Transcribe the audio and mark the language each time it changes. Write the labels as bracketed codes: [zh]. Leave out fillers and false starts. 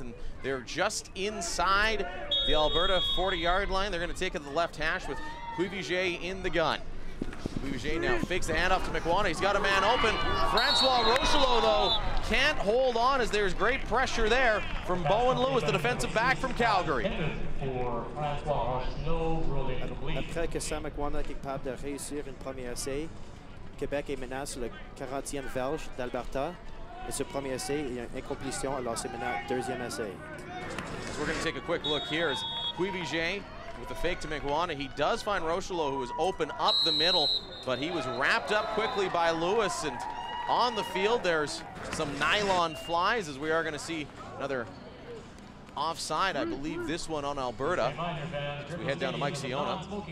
[en] And they're just inside the Alberta 40-yard line. They're going to take it to the left hash with Cuivier in the gun. Cuivier now fakes the handoff to McWanna. He's got a man open. Francois Rochelot, though, can't hold on as there's great pressure there from Bowen Lewis, the defensive back from Calgary. [fr] Après que Sam McWanna est capable de réussir une première essai, Québec est maintenant sur le 40e verge d'Alberta. Et ce premier essai est une incomplétion, alors c'est maintenant deuxième essai. [en] So we're going to take a quick look here as Cuivier with the fake to McWanna. He does find Rochelot, who was open up the middle, but he was wrapped up quickly by Lewis. And on the field, there's some nylon flies, as we are going to see another offside, I believe, this one on Alberta. As we head down to Mike Siona.